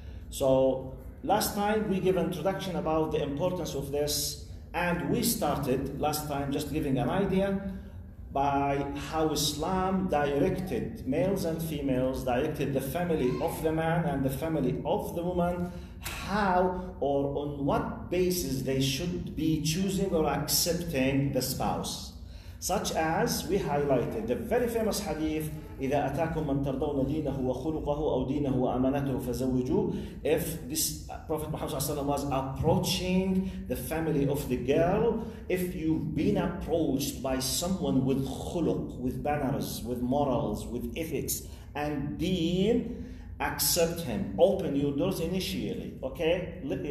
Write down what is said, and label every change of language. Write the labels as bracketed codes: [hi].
[en] So last time we gave an introduction about the importance of this, and we started last time just giving an idea by how Islam directed males and females, directed the family of the man and the family of the woman, how or on what basis they should be choosing or accepting the spouse. Such as we highlighted the very famous hadith, [ar] إِذَا أَتَاكُمْ مَنْ تَرْضَوْنَ دِينَهُ وَخُلُقَهُ أَوْ دِينَهُ وَأَمَانَتُهُ فَزَوِّجُوهُ. [en] If this Prophet Muhammad ﷺ was approaching the family of the girl, if you've been approached by someone with khuluq, with banners, with morals, with ethics and deen, accept him, open your doors initially, okay?